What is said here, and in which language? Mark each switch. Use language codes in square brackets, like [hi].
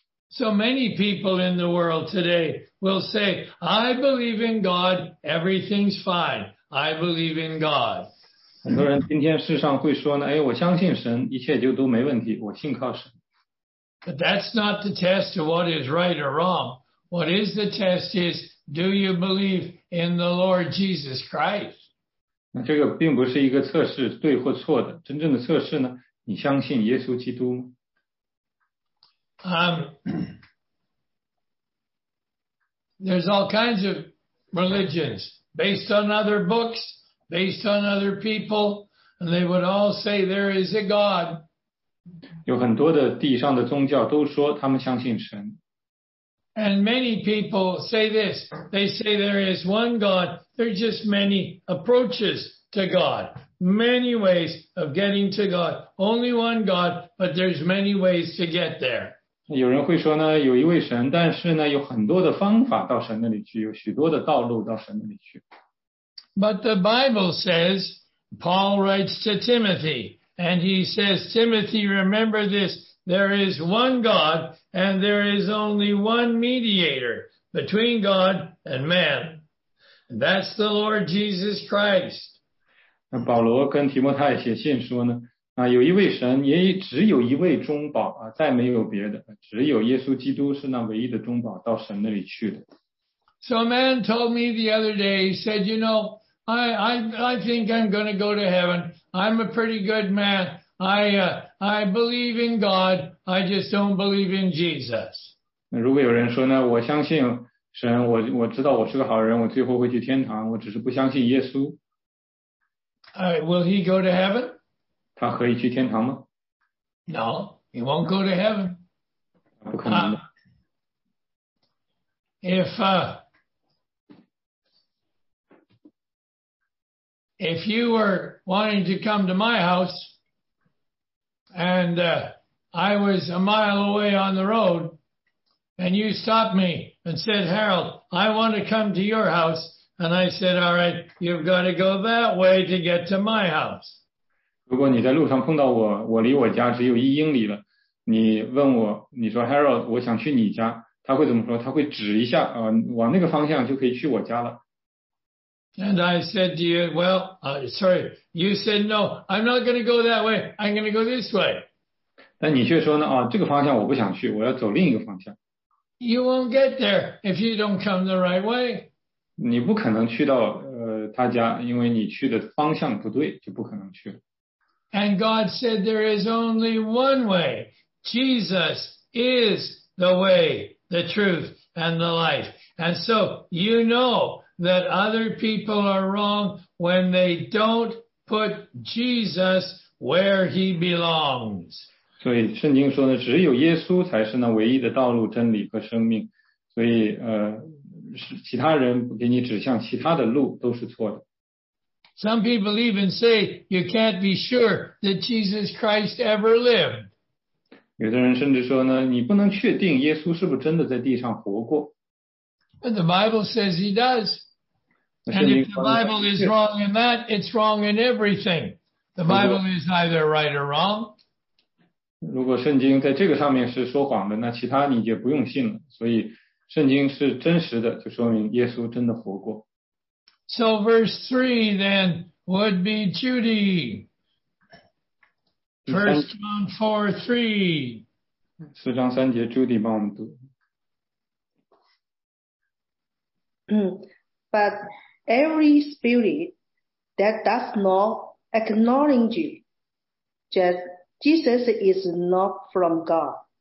[en] So many people in the world today will say, I believe in God, everything's fine. I believe in God. [zh] 很多人今天世上会说呢，哎，我相信神，一切就都没问题，我信靠神。 [en] But that's not the test of what is right or wrong. What is the test is, do you believe in the Lord Jesus Christ? [zh] 那这个并不是一个测试对或错的，真正的测试呢，你相信耶稣基督吗？ [en] There's all kinds of religions based on other books, based on other people, and they would all say there is a God. [zh] 有很多的地上的宗教都说他们相信神。 [en] And many people say this. They say there is one God. There are just many approaches to God. Many ways of getting to God. Only one God, but there's many ways to get there. [zh] 有人会说呢，有一位神，但是呢，有很多的方法到神那里去，有许多的道路到神那里去。 [en] But the Bible says, Paul writes to Timothy, and he says, Timothy, remember this. There is one God, and there is only one mediator between God and man. And that's the Lord Jesus Christ. [zh] 那保罗跟提摩太写信说呢，啊，有一位神，也只有一位中保啊，再没有别的，只有耶稣基督是那唯一的中保到神那里去的。 [en] So a man told me the other day, he said, you know, I think I'm going to go to heaven. I'm a pretty good man. I believe in God, I just don't believe in Jesus. [zh] 如果有人说呢，我相信神，我知道我是个好人，我最后会去天堂，我只是不相信耶稣。 [en] Will he go to heaven? [zh] 他可以去天堂吗？ [en] No, he won't go to heaven. [zh] 不可能的。 [en] If you were wanting to come to my house, And I was a mile away on the road, and you stopped me and said, Harold, I want to come to your house. And I said, all right, you've got to go that way to get to my house. [zh] 如果你在路上碰到我，我离我家只有一英里了，你问我，你说 Harold, 我想去你家，他会怎么说？他会指一下，往那个方向就可以去我家了。 [en] And I said to you, you said, no, I'm not going to go that way. I'm going to go this way. [zh] 但你却说呢，啊，这个方向我不想去，我要走另一个方向。 [en] You won't get there if you don't come the right way. [zh] 你不可能去到他家，因为你去的方向不对，就不可能去了。 [en] And God said there is only one way. Jesus is the way, the truth, and the life. And so you know that other people are wrong when they don't put Jesus where he belongs. [zh] 所以圣经说呢，只有耶稣才是那唯一的道路、真理和生命。所以其他人给你指向其他的路都是错的。 [en] Some people even say you can't be sure that Jesus Christ ever lived. [zh] 有的人甚至说呢，你不能确定耶稣是不是真的在地上活过。 [en] But the Bible says he does. And if the Bible is wrong in that, it's wrong in everything. The Bible is either right or wrong. [zh] 如果圣经在这个上面是说谎的，那其他你就不用信了。所以圣经是真实的，就说明耶稣真的活过。 [en] So verse 3 then would be Judy. 1 John 4:3. [zh] 4章3节 Judy 帮我们读。 [en] But every spirit that does not acknowledge Jesus is not from God.